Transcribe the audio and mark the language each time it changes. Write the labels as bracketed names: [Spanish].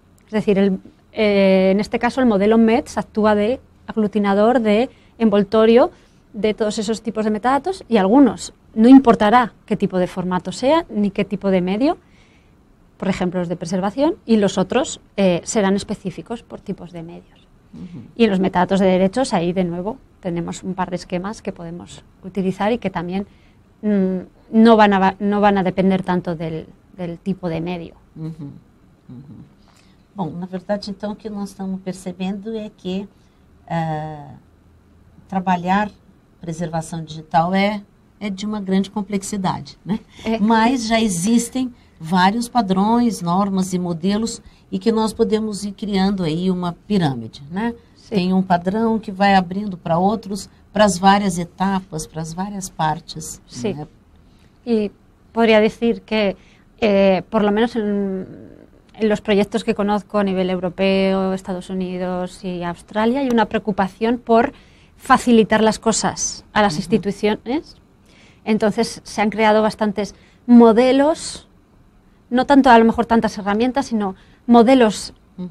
[Spanish] Es decir, en este caso el modelo MEDS actúa de aglutinador, de envoltorio de todos esos tipos de metadatos y algunos, no importará qué tipo de formato sea ni qué tipo de medio, por ejemplo los de preservación, y los otros serán específicos por tipos de medios. Uh-huh. Y los metadatos de derechos, ahí de nuevo tenemos un par de esquemas que podemos utilizar y que también no van a depender tanto del tipo de medio. Uh-huh. [Portuguese] Uh-huh. Bom, na verdade, então, o que nós estamos percebendo é que trabalhar preservação digital é de uma grande complexidade, né? Mas já existem vários padrões, normas e modelos e que nós podemos ir criando aí uma pirâmide, né? Sim. Tem um padrão que vai abrindo para outros, para as várias etapas, para as várias partes. Sim. Né? [Spanish] E poderia dizer que, por lo menos en los proyectos que conozco a nivel europeo, Estados Unidos y Australia, hay una preocupación por facilitar las cosas a las uh-huh. instituciones. Entonces se han creado bastantes modelos, no tanto a lo mejor tantas herramientas, sino modelos uh-huh.